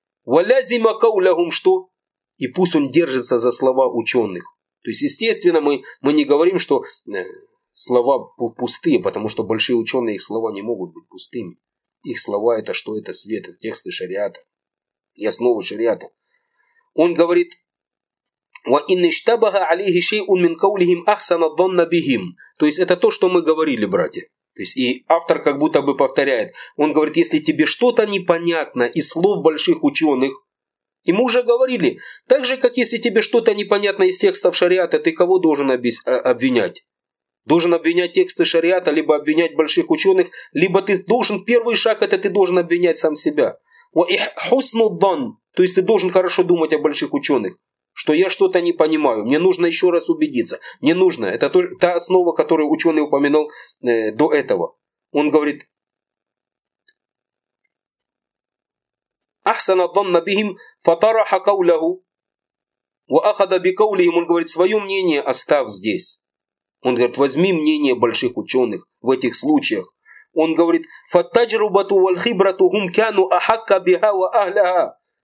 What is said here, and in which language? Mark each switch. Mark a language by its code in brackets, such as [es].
[ru] Валязима каулягум что? И пусть он держится за слова ученых. То есть, естественно, мы не говорим, что слова пустые, потому что большие ученые, их слова не могут быть пустыми. Их слова это что? Это свет, это тексты шариата. И основы шариата. Он говорит, [ar] وَإِنْ اِشْتَبَهَ عَلِيْهِ شَيْءٌ مِنْ قَوْلِهِمْ أَحْسَنَ ظَنَّ بِهِمْ. [ru] То есть это то, что мы говорили, братья. То есть и автор как будто бы повторяет. Он говорит, если тебе что-то непонятно из слов больших ученых, и мы уже говорили, так же, как если тебе что-то непонятно из текстов шариата, ты кого должен обвинять? Должен обвинять тексты шариата, либо обвинять больших ученых, либо ты должен, первый шаг это ты должен обвинять сам себя. [ar] وَإِحْسْنُ ظَنْ. [ru] То есть ты должен хорошо думать о больших ученых. Что я что-то не понимаю, мне нужно еще раз убедиться. Мне нужно. Это та основа, которую ученый упомянул до этого. Он говорит: [ar] أحسن الظن بهم فطرح قوله وأخذ بقولهم. [ru] Он говорит: свое мнение оставь здесь. Он говорит: возьми мнение больших ученых в этих случаях. Он говорит: [ar] فالتجربه والخبره هم كانوا أحق بها وأهلها.